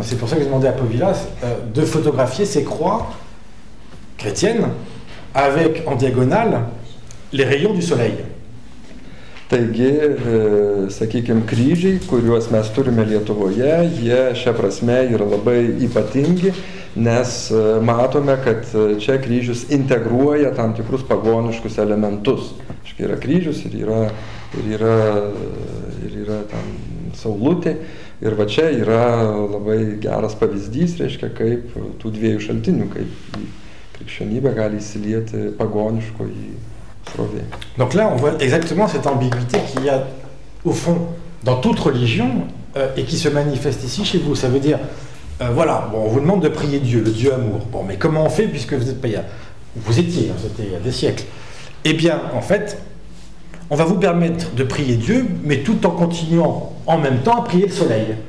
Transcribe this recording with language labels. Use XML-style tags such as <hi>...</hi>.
<fr>C'est pour ça que j'ai demandé à Povilas de photographier ces croix chrétiennes avec, en diagonale, les rayons du soleil.</fr> <lt>Taigi, sakykime, kryžiai, kuriuos mes turime Lietuvoje, jie šia prasme yra labai ypatingi, nes matome, kad čia kryžius integruoja tam tikrus pagoniškus elementus. Iškai yra kryžius ir yra tam saulutė. Ir va čia yra labai geras pavyzdys, reiškia, kaip tų dviejų šaltinių, kaip į krikščionybę gali įsilieti pagoniško į...</lt> <fr>Donc là, on voit exactement cette ambiguïté qu'il y a au fond dans toute religion et qui se manifeste ici chez vous. Ça veut dire, voilà, bon, on vous demande de prier Dieu, le Dieu amour. Bon, mais comment on fait puisque vous êtes païen ? Vous étiez, hein, c'était il y a des siècles. Eh bien, en fait, on va vous permettre de prier Dieu, mais tout en continuant en même temps à prier le soleil.</fr>